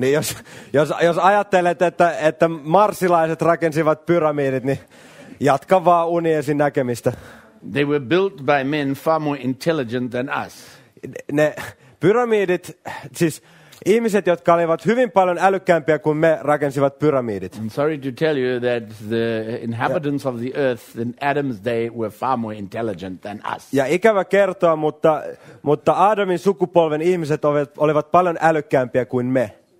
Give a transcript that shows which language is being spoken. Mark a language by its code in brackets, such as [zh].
[fi] Niin jos ajattelet, että marsilaiset rakensivat pyramidit, niin jatka vaan uniesi näkemistä. [en] They were built by men far more intelligent than us. [fi] Ne pyramidit, siis ihmiset, jotka olivat hyvin paljon älykkäämpiä kuin me, rakensivat pyramidit. [en] I'm sorry to tell you that the inhabitants of the earth in Adam's day were far more intelligent than us. [fi] Ja ikävä kertoa, mutta Adamin sukupolven ihmiset olivat paljon älykkäämpiä kuin me.